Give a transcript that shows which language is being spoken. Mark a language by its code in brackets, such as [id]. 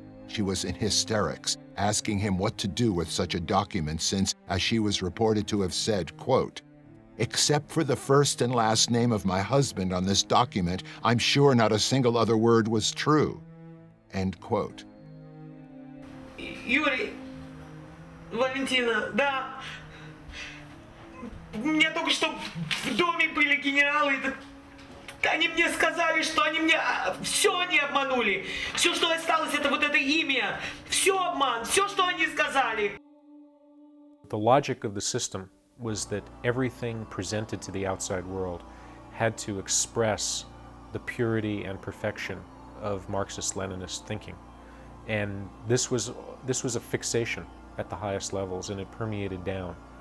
[en] She was in hysterics, asking him what to do with such a document since, as she was reported to have said, quote, "Except for the first and last name of my husband on this document, I'm sure not a single other word was true," end quote. [ru] Yuri, Valentina, да, мне только что в доме были генералы, они мне сказали, что они меня, все они обманули, все, что осталось, это вот это имя, все обман, все, что они сказали. [en] The logic of the system was that everything presented to the outside world had to express the purity and perfection of Marxist-Leninist thinking. And this was a fixation at the highest levels, and it permeated down.